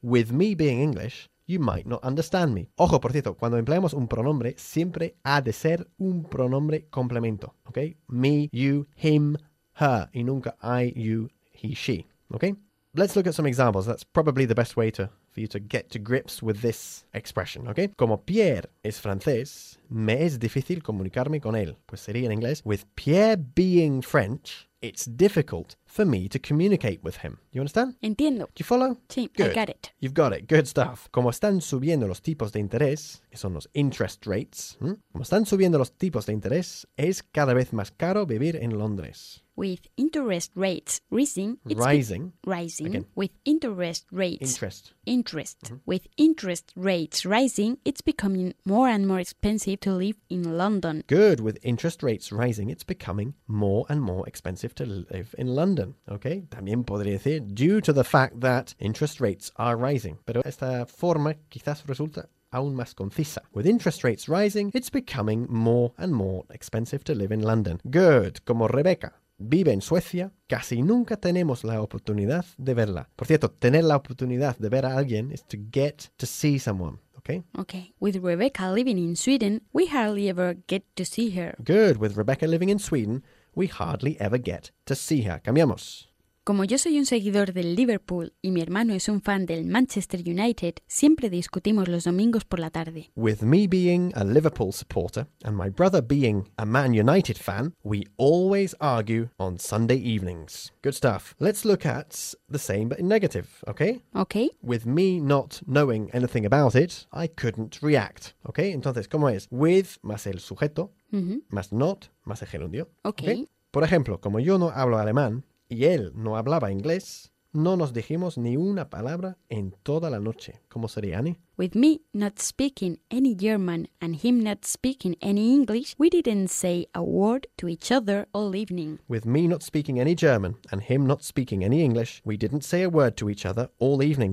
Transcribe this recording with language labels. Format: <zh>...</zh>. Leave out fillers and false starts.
<en>With me being English, you might not understand me.</en> <es>Ojo, por cierto, cuando empleamos un pronombre, siempre ha de ser un pronombre complemento, okay?</es> <en>Me, you, him, her,</en> <es>y nunca</es> <en>I, you, he, she, okay? Let's look at some examples. That's probably the best way for you to get to grips with this expression, okay?</en> <es>Como Pierre es francés, me es difícil comunicarme con él. Pues sería en inglés.</es> <en>With Pierre being French, it's difficult for me to communicate with him. You understand?</en> <es>Entiendo.</es> <en>Do you follow? Sí, good. I got it. You've got it. Good stuff.</en> <es>Como están subiendo los tipos de interés, que son los interest rates, Como están subiendo los tipos de interés, es cada vez más caro vivir en Londres.</es> <en>With interest rates rising, it's rising. Rising. Again. With interest rates. Interest. Interest. Mm-hmm. With interest rates rising, it's becoming more and more expensive to live in London. Good. With interest rates rising, it's becoming more and more expensive to live in London. Okay.</en> <es>También podría decir,</es> <en>due to the fact that interest rates are rising.</en> <es>Pero esta forma quizás resulta aún más concisa.</es> <en>With interest rates rising, it's becoming more and more expensive to live in London.</en> <es>Good. Como Rebecca. Vive en Suecia, casi nunca tenemos la oportunidad de verla. Por cierto, tener la oportunidad de ver a alguien</es> <en>is to get to see someone,</en> <es>okay?</es> <en>Okay. With Rebecca living in Sweden, we hardly ever get to see her. Good. With Rebecca living in Sweden, we hardly ever get to see her. Cambiamos.</en> <es>Como yo soy un seguidor del Liverpool y mi hermano es un fan del Manchester United, siempre discutimos los domingos por la tarde.</es> <en>With me being a Liverpool supporter and my brother being a Man United fan, we always argue on Sunday evenings. Good stuff. Let's look at the same but in negative, okay? Okay. With me not knowing anything about it, I couldn't react, okay?</en> <es>Entonces, ¿cómo es? With más el sujeto, más not, más el gerundio.</es> <en>Okay. Okay.</en> <es>Por ejemplo, como yo no hablo alemán, y él no hablaba inglés, no nos dijimos ni una palabra en toda la noche. ¿Cómo sería, Annie?</es> <en>With me not speaking any German and him not speaking any English, we didn't say a word to each other all evening. With me not speaking any German and him not speaking any English, we didn't say a word to each other all evening.</en>